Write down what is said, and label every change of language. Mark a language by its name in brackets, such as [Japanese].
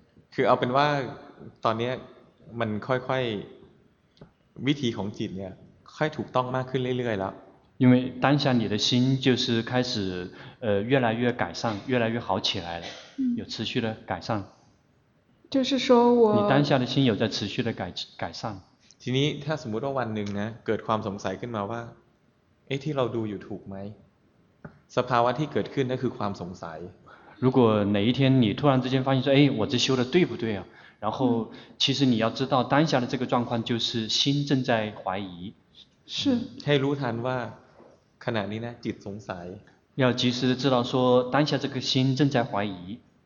[Thai] คือเอาเป็นว่าตอนนี้มันค่อยๆวิธีของจิตเนี่ยค่อยถูกต้องมากขึ้นเรื่อยๆแล้ว [Chinese] 因为当下你的心就是开始越来越改善越来越好起来了有持续的改善就是说我你当下的心有在持续的改善 [Thai] ทีนี้ถ้าสมมติว่าวันหนึ่งนะเกิดความสงสัยขึ้นมาว่าเอ๊ะที่เราดูอยู่ถูกไหมสภาวะที่เกิดขึ้นนั่นคือความสงสัย [Chinese] 如果哪一天你突然之间发现说哎我这修的对不对啊然后其实你要知道当下的这个状况就是心正在怀疑是 [Thai] ให้รู้ทันว่าขณะนี้นะจิตสงสัย [Chinese] 要及时知道说当下这个心正在怀疑